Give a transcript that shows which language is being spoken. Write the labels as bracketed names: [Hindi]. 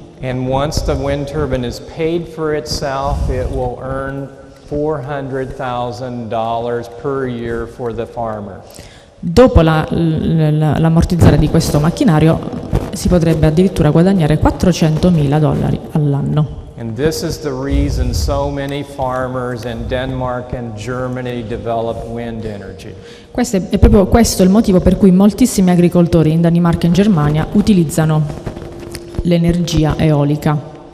[English] And once the wind turbine is paid for itself, it will earn $400,000 per year for the farmer. [Italian] Dopo l'ammortizzare di questo macchinario, si potrebbe addirittura guadagnare $400,000 all'anno. [English] And this is the reason so many farmers in Denmark and Germany develop wind energy. [Italian] Questo è proprio questo il motivo per cui moltissimi agricoltori in Danimarca e in Germania utilizzano l'energia eolica.